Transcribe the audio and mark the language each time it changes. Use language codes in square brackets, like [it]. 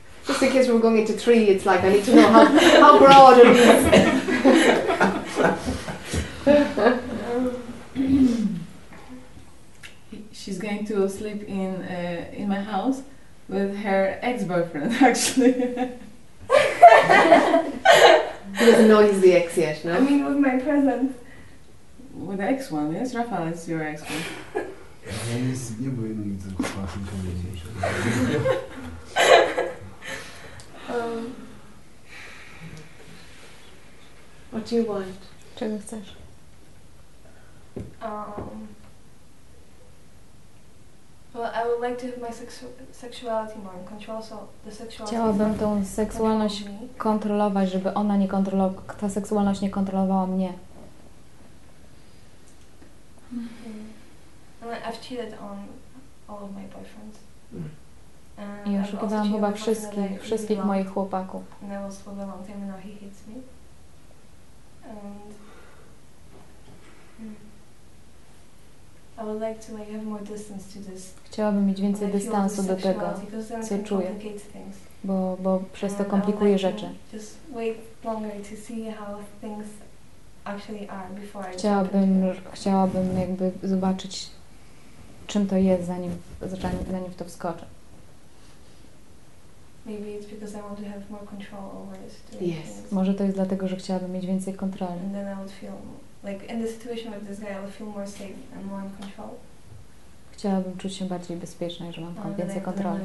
[en] Just in case we're going into three, it's like I need to know how broad it is. She's going to sleep in my house with her ex-boyfriend, actually. He doesn't know he's the ex yet, no? I mean, with my present. With the ex-one, yes? Rafael is your ex-one. [pl] Ja nie byłem nic z chłopakiem powiedzieć. [en] What do you want? [pl] Czego chcesz? [en] Well, I would like to have my sexuality more in control, so the sexuality. [pl] Chciałabym tą seksualność kontrolować, żeby ona nie kontrolowała, ta seksualność nie kontrolowała mnie. [en] I've cheated on all of my boyfriends. [pl] I oszukiwałam chyba wszystkich moich chłopaków. [en] And I was for a long time and now he hates me. And I would like to like have more distance to this. [pl] Chciałabym mieć więcej dystansu do tego, co czuję. Bo przez to komplikuje rzeczy. [en] Just wait longer to see how things actually are before. [pl] Chciałabym jakby zobaczyć, czym to jest, zanim w to wskoczę. [en] Maybe it's because I want to have more control over this. Yes. [pl] Może to jest dlatego, że chciałabym mieć więcej kontroli. [en] And then I would feel like in the situation with this guy, I would feel more safe and more in control. [pl] Chciałabym czuć się bardziej bezpieczna, że mam więcej kontroli.